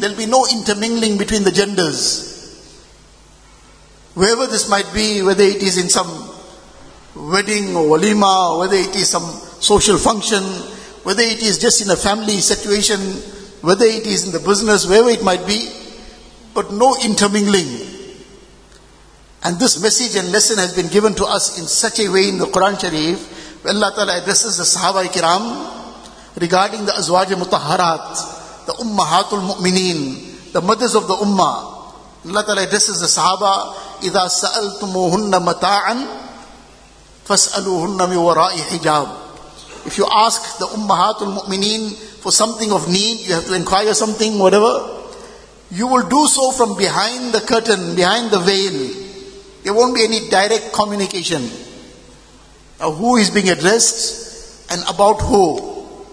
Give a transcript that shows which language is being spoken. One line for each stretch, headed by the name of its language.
English: There'll be no intermingling between the genders. Wherever this might be, whether it is in some wedding or walima, whether it is some social function, whether it is just in a family situation, whether it is in the business, wherever it might be, but no intermingling. And this message and lesson has been given to us in such a way in the Quran Sharif, where Allah Ta'ala addresses the Sahaba-i-Kiram regarding the Azwaj Mutahharat, the Ummahatul Mu'mineen, the mothers of the Ummah. Allah Ta'ala addresses the Sahaba,
Arabic: إِذَا سَأَلْتُمُوهُنَّ مَتَاعًا فَاسْأَلُوهُنَّ مِوَرَاءِ حِجَابٍ.
English: If you ask the Ummahatul Mu'mineen for something of need, you have to inquire something, whatever, you will do so from behind the curtain, behind the veil. There won't be any direct communication. Now who is being addressed and about who?